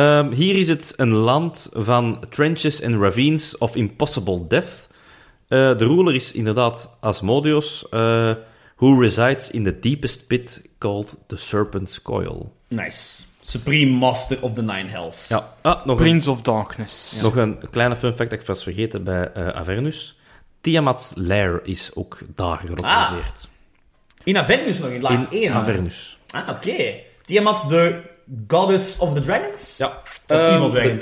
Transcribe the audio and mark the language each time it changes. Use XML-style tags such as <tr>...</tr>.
<nl>Hier is het een land van trenches en</nl> <en>ravines of impossible death.</en> <nl>De ruler is inderdaad</nl> <en>Asmodeus, who resides in the deepest pit called the Serpent's Coil. Nice. Supreme Master of the Nine Hells.</en> <nl>Ja. Ah, nog</nl> <en>Prince</en> <nl>een</nl> <en>of Darkness.</en> <nl>Ja. Nog een kleine fun fact dat ik was vergeten bij Avernus. Tiamat's Lair is ook daar gelokaliseerd. Ah. In Avernus nog, in laag 1. In Avernus. Ah, oké. Okay. Tiamat, de</nl> <en>Goddess of the Dragons?</en> <nl>Ja.</nl> <en>Of Evil Dragons,</en>